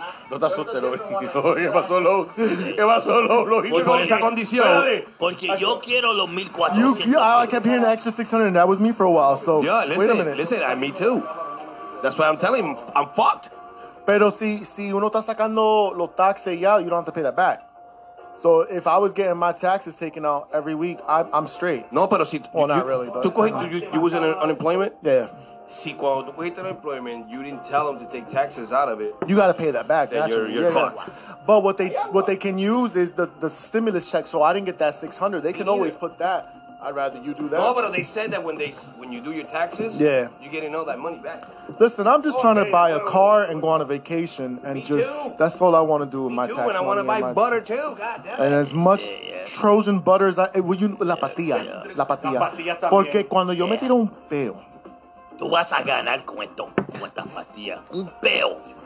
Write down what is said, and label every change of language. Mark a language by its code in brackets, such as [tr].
[es] No te asustes, lo que pasó, lo hice con esa condición. Porque yo quiero los 1,400. [en] I kept hearing an extra 600, and that was me for a while, so wait a minute. Listen, me too. That's why I'm telling you, I'm fucked. [es] Pero si uno está sacando los taxes ya, [en] you don't have to pay that back. So if I was getting my taxes taken out every week, I'm straight. [es] No, pero si... [en] Well, not really, but... [es] Tú cogiste, [en] you was in unemployment? Yeah. [es] Si cuando tú cogiste el employment, [en] you didn't tell them to take taxes out of it. You got to pay that back. Then you're fucked. But what they can use is the stimulus check. So I didn't get that $600. They can always put that I'd rather you do that. No, but they said that when you do your taxes, yeah, you're getting all that money back. Listen, I'm just trying to buy a car and go on a vacation, and that's all I want to do with my tax money. And I want to buy butter too. God damn it. And as much Trojan butter as I will, you [es] la patilla. Porque cuando yo me tiro un peo, tú vas a ganar con esto, con esta patilla, un peo.